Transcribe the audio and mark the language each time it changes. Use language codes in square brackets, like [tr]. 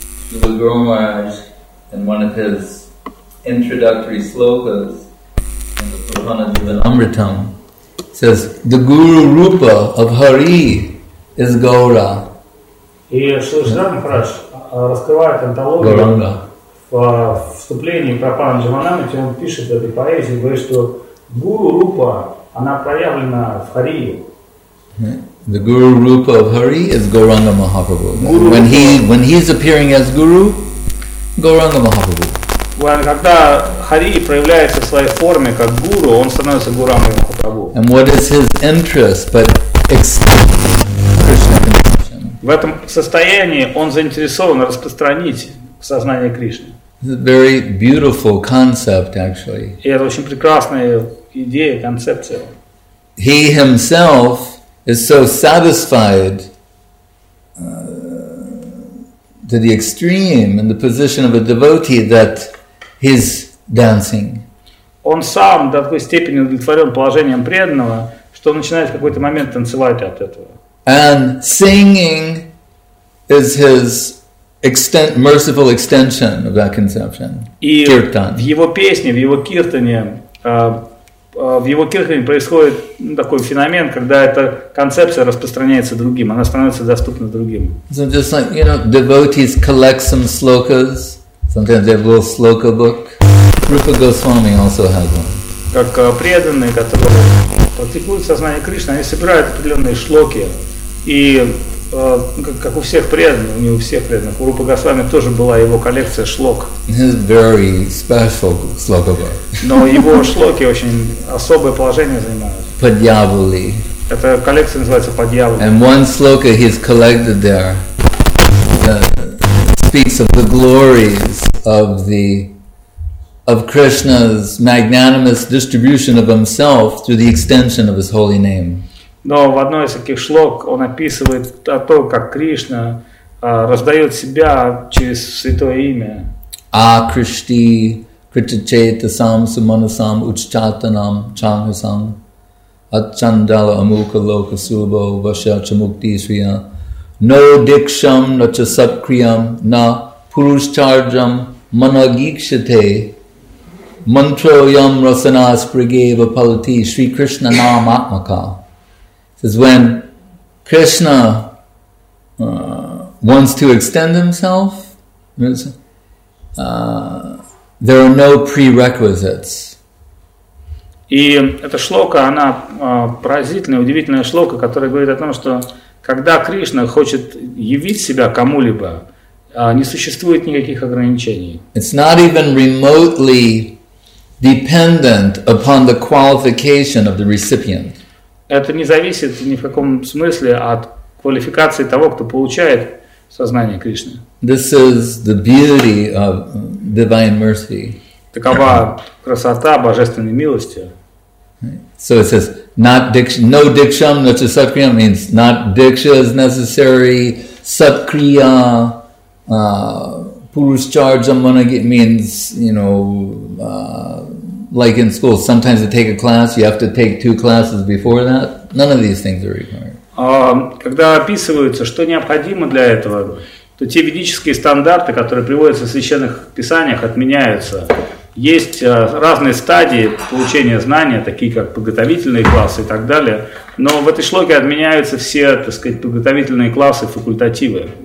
[en] Srila Guru Maharaj, in one of his introductory slokas in the Purana Jivanamritam, says the Guru Rupa of Hari is Gaura. [ru] И Шришна Махарадж раскрывает антологию в вступлении Прапана Джаванамрити, он пишет в этой поэзии, говорит, что Гуру Рупа, она проявлена в Хари. [en] The Guru Rupa of Hari is Gauranga Mahaprabhu. When he's appearing as Guru, Gauranga Mahaprabhu. [ru] Когда Хари проявляется в своей форме как Гуру, он становится Гуранга Махапрабху. [en] And what is his interest but Krishna connection? [ru] В этом состоянии он заинтересован распространить сознание Кришны. [en] It's a very beautiful concept, actually. [ru] И это очень прекрасная идея, концепция. [en] He himself is so satisfied to the extreme in the position of a devotee that he's dancing. [ru] Он сам до такой степени удовлетворен положением преданного, что начинает в какой-то момент танцевать от этого. [en] And singing is his merciful extension of that conception. [ru] И в его песне, в его киртане происходит такой феномен, когда эта концепция распространяется другим, она становится доступна другим. [en] So just like, you know, devotees collect some slokas, sometimes they have a little sloka book. Rupa Goswami also has one. [ru] Как преданные, которые практикуют сознание Кришны, они собирают определенные шлоки. И как у всех преданных, не у всех преданных, у Рупа Госвами тоже была его коллекция шлок. His very special sloka book. Но его шлоки очень особое положение занимают. Подъяволи. Эта коллекция называется Подъяволи. [en] And one sloka he's collected there speaks of the glories of Krishna's magnanimous distribution of himself through the extension of his holy name. [ru] Но в одной из таких шлок он описывает о том, как Кришна раздает себя через святое имя. [sa] А Кришти Кричачета сам Суманасам Уччатанам Чангасам Ачандала Амука Лока Субо Ваша Чамукти Свия Но Дикшам Нача Сапкриям На Пурушчарджам Манагикшите Мантро Ям Расанас Пригева Палати Шри Кришна Нам Атмака. [en] Is when Krishna wants to extend himself, there are no prerequisites. [ru] И эта шлока, она поразительная, удивительная шлока, которая говорит о том, что когда Кришна хочет явить себя кому-либо, не существует никаких ограничений. [en] It's not even remotely dependent upon the qualification of the recipient. [ru] Это не зависит ни в каком смысле от квалификации того, кто получает сознание Кришны. [en] This is the beauty of divine mercy. [ru] Такова красота божественной милости. [en] So it says, not diksha, no diksham, no chasakriya means not diksha is necessary, sakriya, purushcharjam managi means, you know, like in school, sometimes to take a class, you have to take two classes before that. None of these things are required. [ru] Когда описывается, что необходимо для этого, то те ведические стандарты, которые приводятся в священных писаниях, отменяются. Есть разные стадии получения знания, такие как подготовительные классы и так далее. Но в этой шлоке отменяются все, так сказать, подготовительные классы, факультативы.